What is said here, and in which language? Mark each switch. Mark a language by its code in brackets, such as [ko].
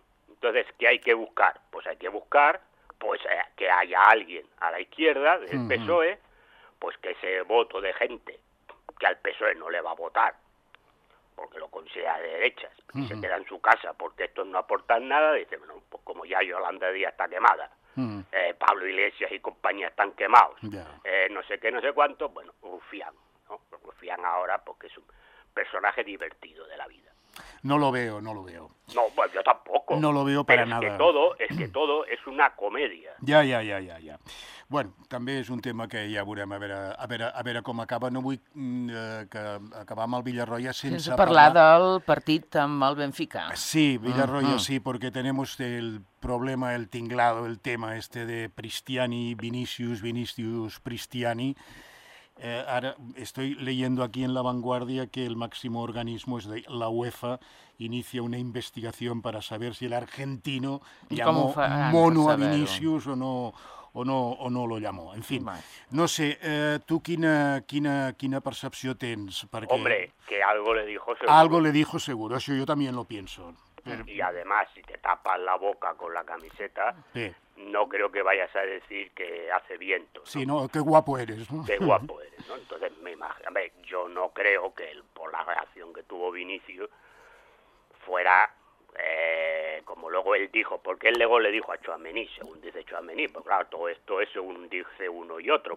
[es] Entonces, ¿qué hay que buscar? Pues hay que buscar pues que haya alguien a la izquierda del PSOE, pues que ese voto de gente que al PSOE no le va a votar porque lo considera de derechas y se queda en su casa porque estos no aportan nada, dice, bueno, pues como ya Yolanda Díaz está quemada, Pablo Iglesias y compañía están quemados, no sé qué, no sé cuánto, bueno, Rufián, ¿no? Rufián ahora porque es un personaje divertido de la vida. No lo veo, no lo veo. No, pues yo tampoco. No lo veo para nada. Es que todo es una comedia. [ca] Ja. Bueno, també és un tema que ja veurem a veure com acaba. No vull acabar amb el Villarroya sense parlar del partit amb el Benfica. Sí, Villarroya sí, perquè tenem el problema, el tinglado, [es] el tema este [ca] de Pristiani, Vinicius, Pristiani. [es] Ara estoy leyendo aquí en La Vanguardia que el máximo organismo es de la UEFA inicia una investigación para saber si el argentino llamó mono a Vinicius o no lo llamó. [ca] En fin, no sé, tú quina percepció tens? Perquè... [es] Hombre, que algo le dijo seguro. Algo le dijo seguro, eso yo también lo pienso. Pero... Y además, si te tapas la boca con la camiseta... Sí. No creo que vayas a decir que hace viento. ¿No? Sí, no, qué guapo eres, ¿no? Qué guapo eres, ¿no? Entonces, me imagino, a ver, yo no creo que él, por la reacción que tuvo Vinicius, fuera, como luego él dijo, porque él luego le dijo a Tchouaméni, según dice Tchouaméni, pues claro, todo esto es según dice uno y otro.